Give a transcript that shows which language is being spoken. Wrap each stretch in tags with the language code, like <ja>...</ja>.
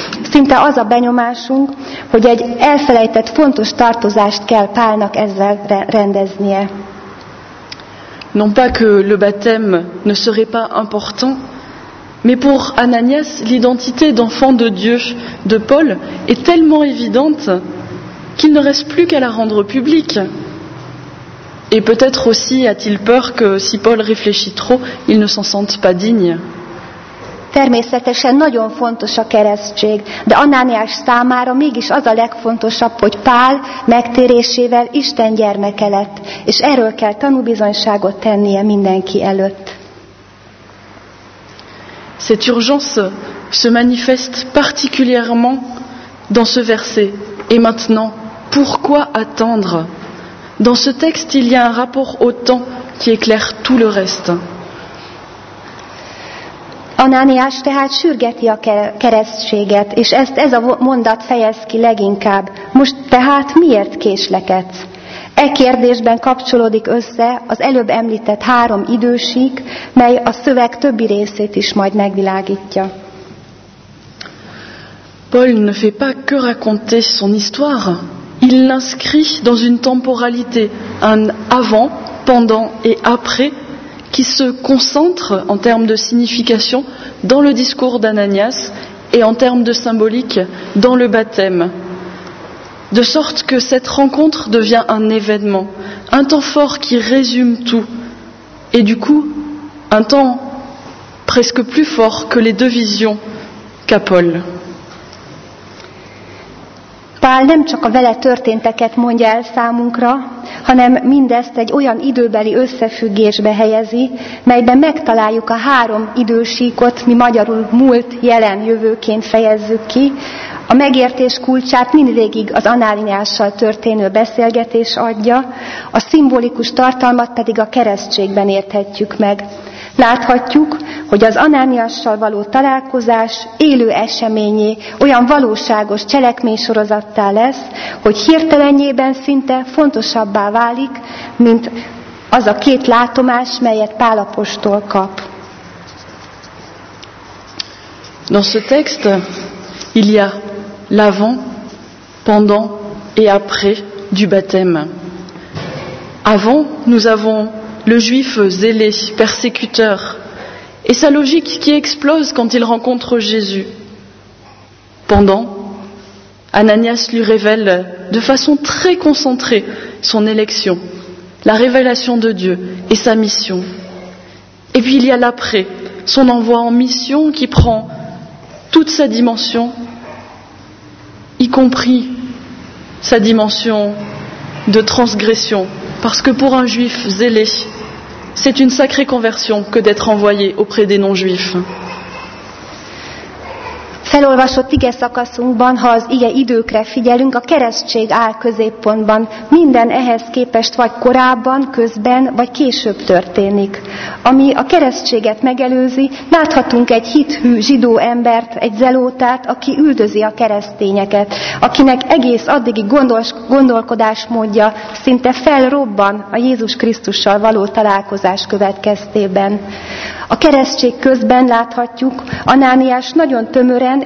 <hu>Szinte az a benyomásunk, hogy egy elfelejtett fontos tartozást kell Pálnak ezzel rendeznie.</hu> <fr>Non pas que le baptême ne serait pas important, mais pour Ananias, l'identité d'enfant de Dieu de Paul est tellement évidente qu'il ne reste plus qu'à la rendre publique. Et peut-être aussi a-t-il peur que si Paul réfléchit trop, il ne s'en sente pas digne.</fr> <hu>Természetesen nagyon fontos a keresztség, de Anániás számára mégis az a legfontosabb, hogy Pál megtérésével Isten gyermeke lett, és erről kell tanúbizonyságot tennie mindenki előtt.</hu> <fr>Cette urgence se manifeste particulièrement dans ce verset. Et maintenant, pourquoi attendre? Dans ce texte, il y a un rapport au temps qui éclaire tout le reste.</fr> <hu>Anániás tehát sürgeti a keresztséget, és ezt ez a mondat fejez ki leginkább. Most tehát miért késlekedsz? E kérdésben kapcsolódik össze az előbb említett három idősík, mely a szöveg többi részét is majd megvilágítja.</hu> <fr>Paul ne fait pas que raconter son histoire, il l'inscrit dans une temporalité, un avant, pendant et après, qui se concentre en termes de signification dans le discours d'Ananias et en termes de symbolique dans le baptême. De sorte que cette rencontre devient un événement, un temps fort qui résume tout, et du coup, un temps presque plus fort que les deux visions qu'a Paul.</fr> <hu>Pál nem csak a vele történteket mondja el számunkra, hanem mindezt egy olyan időbeli összefüggésbe helyezi, melyben megtaláljuk a három idősíkot, mi magyarul múlt, jelen, jövőként fejezzük ki. A megértés kulcsát mindvégig az Anániással történő beszélgetés adja, a szimbolikus tartalmat pedig a keresztségben érthetjük meg. Láthatjuk, hogy az Anániással való találkozás élő eseményé olyan valóságos cselekménysorozattá lesz, hogy hirtelenjében szinte fontosabbá válik, mint az a két látomás, melyet Pál apostol kap.</hu> <fr>Dans ce texte, il y a l'avant, pendant et après du baptême. Avant, nous avons le juif zélé, persécuteur, et sa logique qui explose quand il rencontre Jésus. Pendant, Ananias lui révèle de façon très concentrée son élection, la révélation de Dieu et sa mission. Et puis il y a l'après, son envoi en mission qui prend toute sa dimension, y compris sa dimension de transgression, parce que pour un juif zélé, c'est une sacrée conversion que d'être envoyé auprès des non-juifs.</fr> <hu>Felolvasott ige szakaszunkban, ha az ige időkre figyelünk, a keresztség áll középpontban. Minden ehhez képest vagy korábban, közben, vagy később történik. Ami a keresztséget megelőzi, láthatunk egy hithű zsidó embert, egy zelótát, aki üldözi a keresztényeket, akinek egész addigi gondolkodásmódja szinte felrobban a Jézus Krisztussal való találkozás következtében. A keresztség közben láthatjuk, Anániás nagyon tömören</hu>